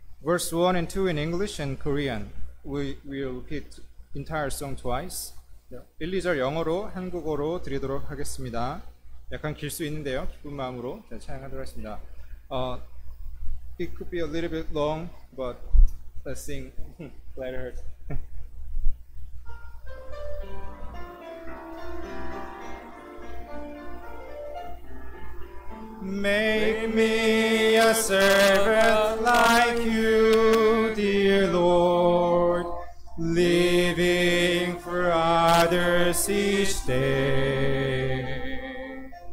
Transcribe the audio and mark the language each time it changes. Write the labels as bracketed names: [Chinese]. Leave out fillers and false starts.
[English] Verse 1 and 2 in English and Korean. We'll repeat entire song twice. [Korean] 1, 2절 영어로 한국어로 드리도록 하겠습니다. 약간 길 수 있는데요, 기쁜 마음으로 찬양하도록 하겠습니다. [English] It could be a little bit long, but let's sing later. 'Make me a servant like you, dear Lord, living for others each day.